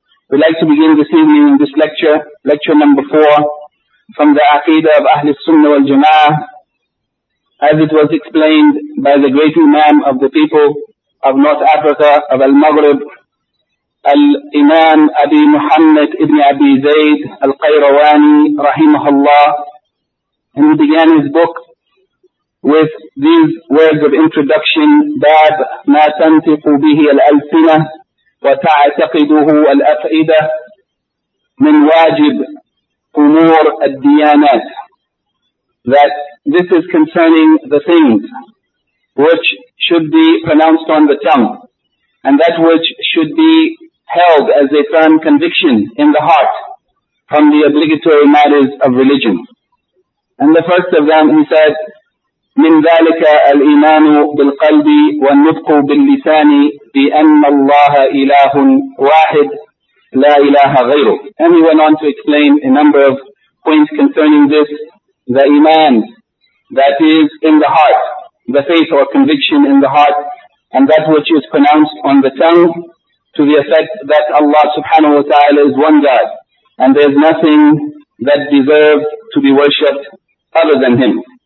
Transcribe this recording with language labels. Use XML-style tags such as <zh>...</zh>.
<en>We'd like to begin this evening in this lecture, lecture number 4, from the Aqeedah of Ahlul Sunnah wal Jama'ah, as it was explained by the great Imam of the people of North Africa, of Al-Maghrib, Al-Imaam Abi Muhammad ibn Abi Zaid al-Qayrawani rahimahullah. And he began his book with these words of introduction:</en> <ar>باب ما تنطق به الألسنة وتعتقده الأفئدة من واجب أمور الديانات.</ar> <en>That this is concerning the things which should be pronounced on the tongue, and that which should be held as a firm conviction in the heart from the obligatory matters of religion. And the first of them, he said,</en> <ar>مِنْ ذَلِكَ الْإِيمَانُ بِالْقَلْبِ وَالنُّطْقُ بِاللِّسَانِ بِأَنَّ اللَّهَ إِلَهٌ وَاحِدٌ لَا إِلَهَ غَيْرُهُ.</ar> <en>And he went on to explain a number of points concerning this, the iman that is in the heart, the faith or conviction in the heart, and that which is pronounced on the tongue, to the effect that Allah subhanahu wa ta'ala is one God, and there is nothing that deserves to be worshipped other than Him.</en>